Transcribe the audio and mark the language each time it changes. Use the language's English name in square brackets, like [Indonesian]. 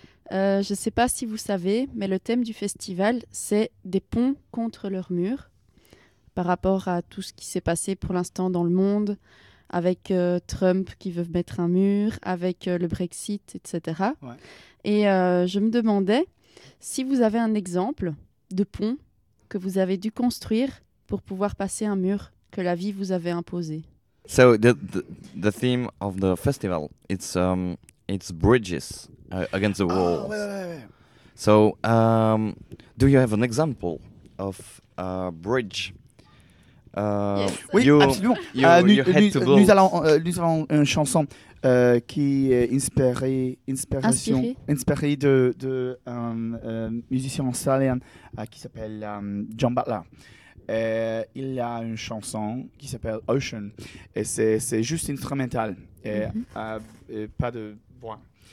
[French] Je ne sais pas si vous savez, mais le thème du festival, c'est des ponts contre leurs murs, par rapport à tout ce qui s'est passé pour l'instant dans le monde, avec Trump qui veut mettre un mur, avec le Brexit, etc. Ouais. Et je me demandais si vous avez un exemple de pont que vous avez dû construire pour pouvoir passer un mur que la vie vous avait imposé. [English] So the theme of the festival, it's bridges. Against the wall. Oh, wait. So, do you have an example of a bridge? Yes. [French] Nous avons une chanson qui est inspirée de musicien australien qui s'appelle John Butler. Il y a une chanson qui s'appelle Ocean et c'est juste instrumental et, et pas de voix.